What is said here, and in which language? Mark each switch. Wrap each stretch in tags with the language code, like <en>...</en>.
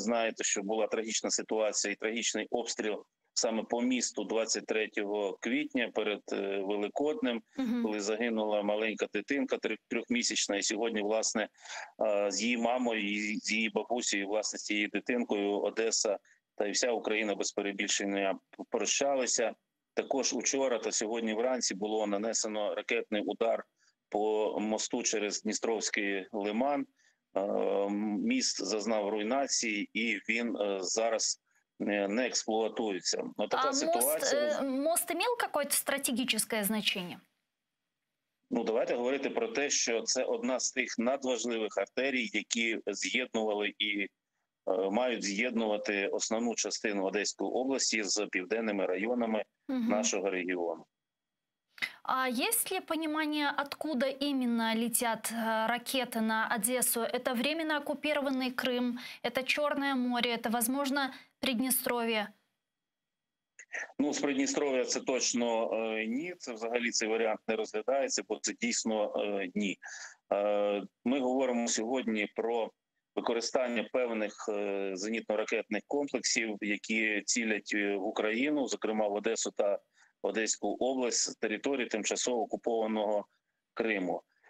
<uk>Знаєте, що була трагічна ситуація і трагічний обстріл саме по місту 23 квітня перед Великоднем, коли загинула маленька дитинка, трьохмісячна, і сьогодні, власне, з її мамою, і з її бабусею, власне, з її дитинкою Одеса та й вся Україна без перебільшення прощалися. Також учора та сьогодні вранці було нанесено ракетний удар по мосту через Дністровський лиман. Міст зазнав руйнації, і він зараз не эксплуатуется.</uk> <ru>Но такая мост имел какое-то стратегическое значение? Ну, давайте говорить про то, что это одна из тех надважливых артерий, которые</ru> <uk>з'єднували и мають з'єднувати</uk> <ru>основную частину Одеської области с</ru> <uk>південними районами</uk> <ru>нашего региона. А есть ли понимание, откуда именно летят ракеты на Одессу? Это временно оккупированный Крым, это Черное море, это, возможно, Придністров'я?</ru> <uk>Ну, з Придністров'я це точно ні. Це взагалі цей варіант не розглядається, бо це дійсно ні. Ми говоримо сьогодні про використання певних зенітно-ракетних комплексів, які цілять в Україну, зокрема в Одесу та Одеську область, території тимчасово окупованого Криму.</uk>